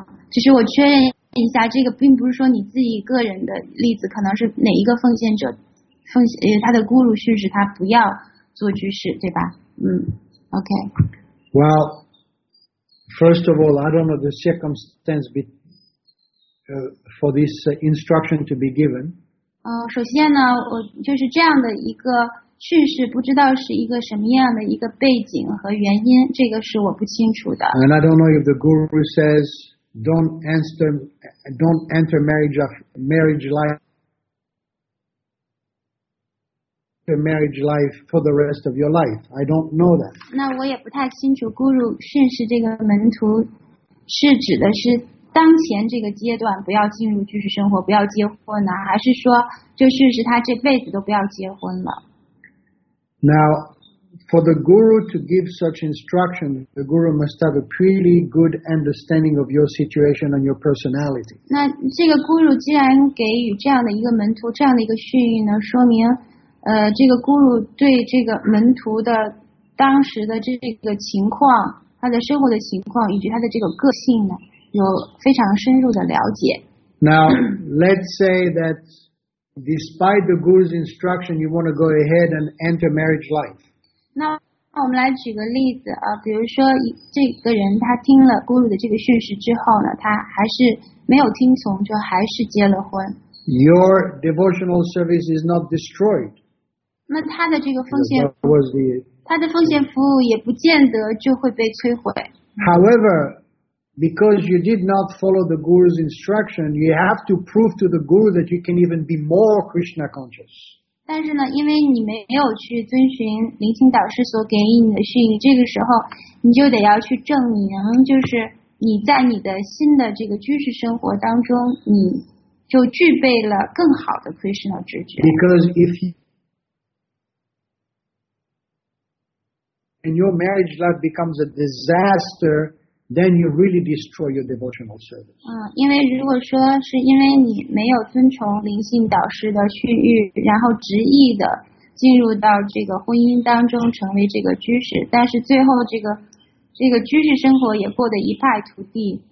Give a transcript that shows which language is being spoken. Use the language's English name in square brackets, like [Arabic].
[Chinese] 就是我确认一下，这个并不是说你自己个人的例子，可能是哪一个奉献者，他的咕噜训示他不要做居士，对吧？ [English] OK. Well, first of all, I don't know the circumstance for this instruction to be given. [Chinese] 首先呢，我就是这样的一个叙事，不知道是一个什么样的一个背景和原因，这个是我不清楚的。 [English] And I don't know if the guru says don't enter marriage life for the rest of your life. I don't know that. [Chinese] 那我也不太清楚 ，guru 训示这个门徒是指的是。当前这个阶段不要进入居士生活，不要结婚呢？还是说，就是他这辈子都不要结婚了 [English] ？Now, for the guru to give such instruction, the guru must have a pretty good understanding of your situation and your personality. [Chinese] 那这个 guru 既然给予这样的一个门徒这样的一个训谕呢，说明，这个 guru 对这个门徒的当时的这个情况，他的生活的情况以及他的这个个性呢？有非常深入的了解。 [English] Now, let's say that despite the guru's instruction, you want to go ahead and enter marriage life. [Chinese] 那我们来举个例子啊，比如说这个人他听了 guru 的这个训示之后呢，他还是没有听从，就还是结了婚。 [English] Your devotional service is not destroyed. [Chinese] 那他的这个奉献， [English] that was the... [Chinese] 他的奉献服务也不见得就会被摧毁。 [English] However,Because you did not follow the guru's instruction, you have to prove to the guru that you can even be more Krishna conscious. [Chinese] 但是呢，因为你没有去遵循聆听导师所给予你的训练，这个时候你就得要去证明，就是你在你的新的这个居士生活当中，你就具备了更好的 Krishna 直觉。 [English] Because if you, and your marriage life becomes a disaster. Then you really destroy your devotional service. [Chinese] 因为如果说是因为你没有遵从灵性导师的训谕，然后执意的进入到这个婚姻当中，成为这个居士，但是最后这个居士生活也过得一败涂地。